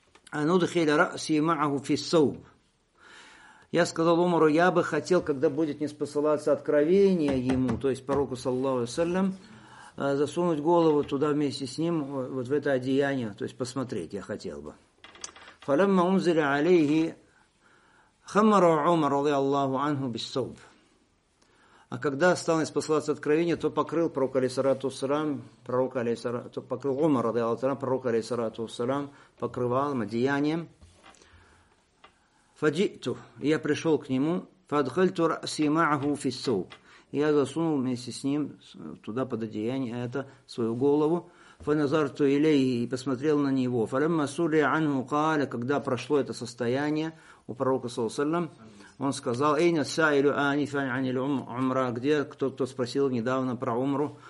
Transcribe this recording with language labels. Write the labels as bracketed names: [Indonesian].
[Arabic] Анудхиля ра'си ма'аху фис-сауб. [Russian] Я сказал Омару, я бы хотел, когда будет не спосылаться откровение ему, то есть пророку саллаллаху алейхи вассалям, засунуть голову туда вместе с ним, вот в это одеяние, то есть посмотреть я хотел бы. [Arabic] فلما أنزل عليه خمر عمر رضي الله عنه بالثوب. [Russian] А когда стало спасаться откровение, то покрыл пророк алейхиссалату вассалям, пророк алейхиссалату, то покрыл Умар رضي الله عنه, пророк алейхиссалату вассалям, покрывал одеянием. [Arabic] فجئته, [Russian] я пришел к нему, [Arabic] فادخلت رأسي معه في الثوب. [Russian] Я засунул вместе с ним туда под одеяние это свою голову. [Arabic] فَنَظَرْتُ إِلَيْهِ [Russian] и посмотрел на него. [Arabic] فَلَمَّ سُلِيَ عَنْهُ قَالَ [Russian] когда прошло это состояние у пророка, саллаллаху алейхи ва саллям, Он сказал: [Arabic] «Эйна саилю анифан анил умра», [Russian] где кто-то спросил недавно про умру.